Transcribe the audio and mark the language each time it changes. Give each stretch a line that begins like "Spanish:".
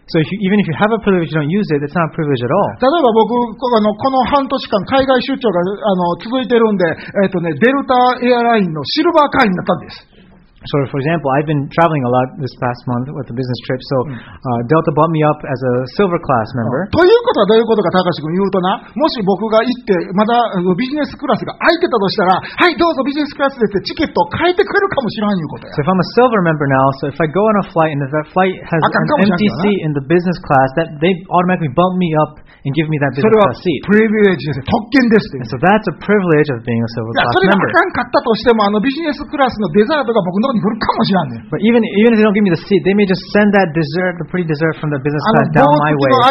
English: So if you, even if you have a privilege, you don't use it, it's not a privilege at all.
Japanese: 例えば僕、この半年間海外出張が続いてるんで、デルタエアラインのシルバー会員になったんです。
English: So, for example, I've been traveling a lot this past month with the business trip. So, Delta bought me up as a silver class member.
Japanese: ということはどういうことか、高橋君言うとな、もし僕が行ってまだビジネスクラスが空いてたとしたら、はいどうぞビジネスクラスでってチケットを変えてくれるかもしれないいうことや。
English: So if I'm a silver member now, so if I go on a flight and if that flight has an empty seat in the business class, that they automatically bump me up and give me that business class seat.
Japanese: それはプリビレージです。特権です。
English: So that's a privilege of being a silver class member.
Japanese: いやそれがあかんかったとしてもあのビジネスクラスのデザートが僕の
English: But even if they don't give me the seat, they may just send that dessert, the pretty dessert from the business class down my way.